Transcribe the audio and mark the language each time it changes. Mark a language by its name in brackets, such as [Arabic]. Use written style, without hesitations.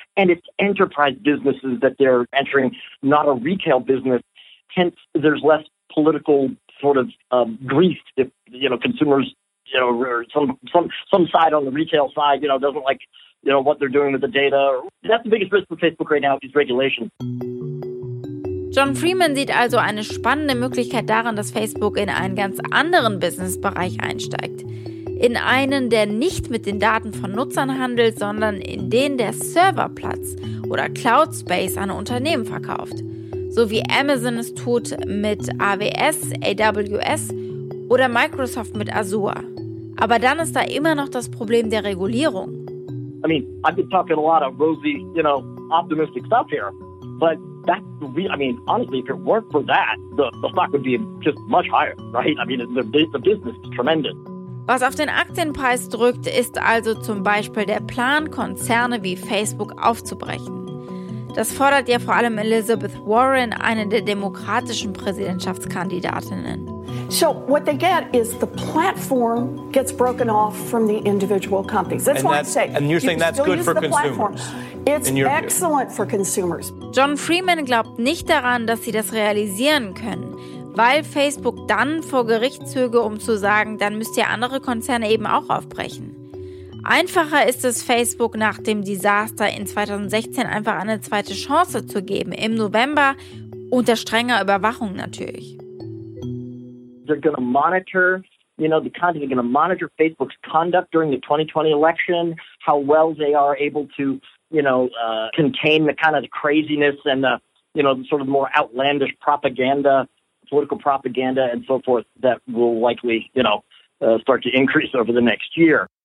[English] And it's enterprise businesses that they're entering, not a retail business. Hence, there's less political sort of grief if, you know, consumers, you know, or some side on the retail side, you know, doesn't like, you know, what they're doing with the data. That's the biggest risk for Facebook right now, is regulation. [German] John Freeman sieht also eine spannende Möglichkeit darin, dass Facebook in einen ganz anderen Businessbereich einsteigt. In einen, der nicht mit den Daten von Nutzern handelt, sondern in den der Serverplatz oder Cloud Space an Unternehmen verkauft. So wie Amazon es tut mit AWS, AWS oder Microsoft mit Azure. Aber dann ist da immer noch das Problem der Regulierung. [English] I mean, I've been talking a lot of rosy, you know, optimistic stuff here, but honestly, if it weren't for that, the stock would be just much higher, right? I mean, the business is tremendous. [German] Was auf den Aktienpreis drückt, ist also zum Beispiel der Plan, Konzerne wie Facebook aufzubrechen. Das fordert ja vor allem Elizabeth Warren, eine der demokratischen Präsidentschaftskandidatinnen. [English] So what they get is the platform gets broken off from the individual companies. That's what I'm saying. And you're saying that's good for consumers. It's excellent for consumers. [German] John Freeman glaubt nicht daran, dass sie das realisieren können, weil Facebook dann vor Gericht zöge, um zu sagen, dann müsst ihr andere Konzerne eben auch aufbrechen. Einfacher ist es, Facebook nach dem Desaster in 2016 einfach eine zweite Chance zu geben, im November, unter strenger Überwachung natürlich. [English] They're going to monitor, you know, the content. They're going to monitor Facebook's conduct during the 2020 election, how well they are able to, you know, contain the kind of the craziness and the, you know, the sort of more outlandish propaganda, political propaganda and so forth that will likely, you know, start to increase over the next year.